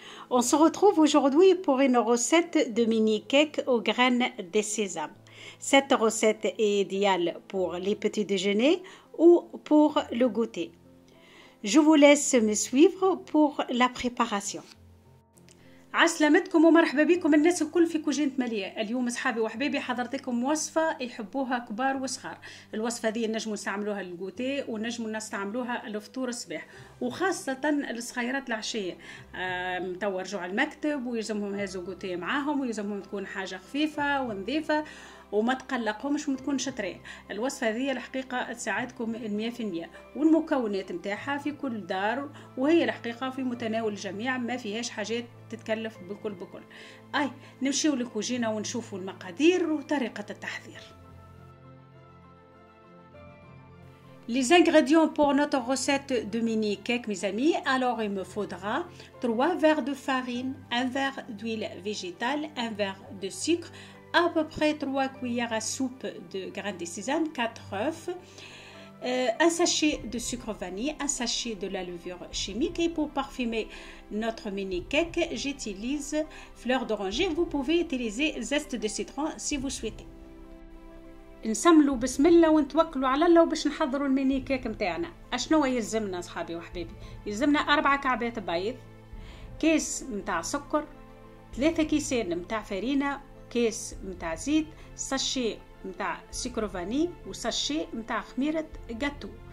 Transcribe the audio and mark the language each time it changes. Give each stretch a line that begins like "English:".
French: On se retrouve aujourd'hui pour une recette de mini cake aux graines de sésame. Cette recette est idéale pour les petits déjeuners ou pour le goûter. Je vous laisse me suivre pour la préparation.
Arabic: عسلامتكم ومرحبا بكم الناس الكل في كوجينة مالية. اليوم أصحابي وحبيبي حضرتكم وصفة يحبوها كبار وصغار. الوصفة دي نجموا نستعملوها للغوتي ونجموا نستعملوها الفطور الصباح، وخاصة الصغيرات العشية تو رجعوا على المكتب ويلزمهم هذو غوتي معاهم، ويلزمهم تكون حاجة خفيفة ونظيفة وما تقلقهمش وما تكونش طريه. الوصفه هذه الحقيقه تساعدكم 100%، والمكونات نتاعها في كل دار، وهي الحقيقه في متناول الجميع، ما فيهاش حاجات تتكلف بكل. اي نمشيو للكوجينه ونشوفوا المقادير وطريقه التحضير.
French: Les ingrédients pour notre recette de mini cake, mes amis, alors il me faudra 3 verres de farine, 1 verre d'huile végétale, 1 verre de sucre, à peu près 3 cuillères à soupe de graines de sésame, 4 œufs, un sachet de sucre vanille, un sachet de la levure chimique. Et pour parfumer notre mini cake, j'utilise fleur d'oranger. Vous pouvez utiliser zeste de citron si vous souhaitez.
Arabic: نسملو بسم الله ونتوكلو على الله باش نحضروا الميني كيك نتاعنا. اشنو يلزمنا صحابي وحبيبي؟ يلزمنا 4 كعبات بيض، كيس نتاع سكر، 3 كيسان نتاع فارينة، كيس متاع زيت، ساشي متاع سكر فاني، وساشي متاع خميرة جاتو.